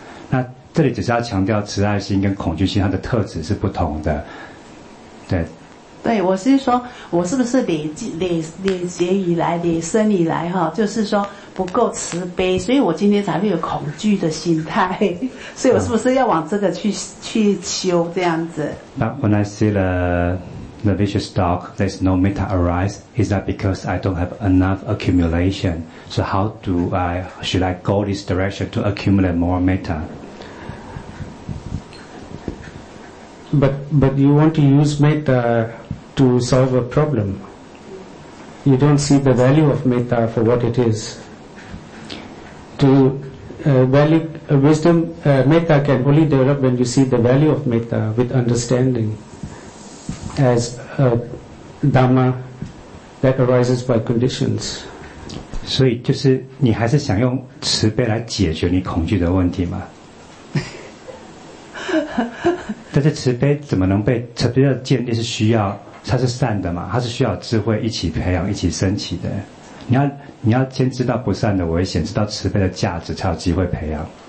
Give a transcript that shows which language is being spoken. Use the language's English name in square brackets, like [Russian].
[Chinese] 那这里只是要强调慈爱心跟恐惧心它的特质是不同的，对。对，我是说，我是不是累劫以来、累生以来哈，就是说不够慈悲，所以我今天才会有恐惧的心态。所以我是不是要往这个去修这样子 [English] ？But when I see the vicious dog, there's no metta arise. Is that because I don't have enough accumulation? So how do I should I go this direction to accumulate more metta? But you want to use metta to solve a problem. You don't see the value of metta for what it is. Metta can only develop when you see the value of metta with understanding as a dhamma that arises by conditions. [Chinese] 所以就是你还是想用慈悲来解决你恐惧的问题吗？但是慈悲怎么能被慈悲的建立是需要它是善的嘛，它是需要智慧一起培养一起升起的。你要先知道不善的危险，知道慈悲的价值，才有机会培养。